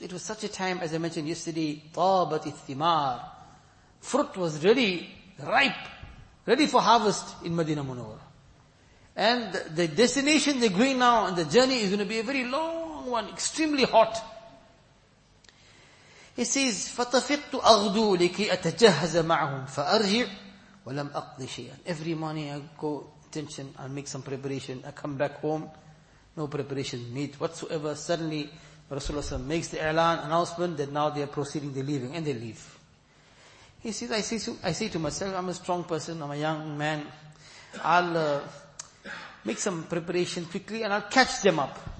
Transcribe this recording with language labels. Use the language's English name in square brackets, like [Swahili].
[English] It was such a time, as I mentioned yesterday, [Arabic] طَابَتِ الثِّمَار. [English] Fruit was really ripe, ready for harvest in Madinah Munawwarah. And the destination they're going now, and the journey is going to be a very long one, extremely hot. He says, [Arabic] فَتَفِقْتُ أَغْدُو لِكِي أَتَجَهَّزَ مَعْهُمْ فَأَرْجِعْ وَلَمْ أَقْضِ شَيْئًا. [English] Every morning I go, attention, I make some preparation, I come back home. No preparation made whatsoever. Suddenly, Rasulullah makes the i'lan, announcement, that now they are proceeding, they're leaving, and they leave. He says, I say to myself, I'm a strong person, I'm a young man, I'll make some preparation quickly, and I'll catch them up.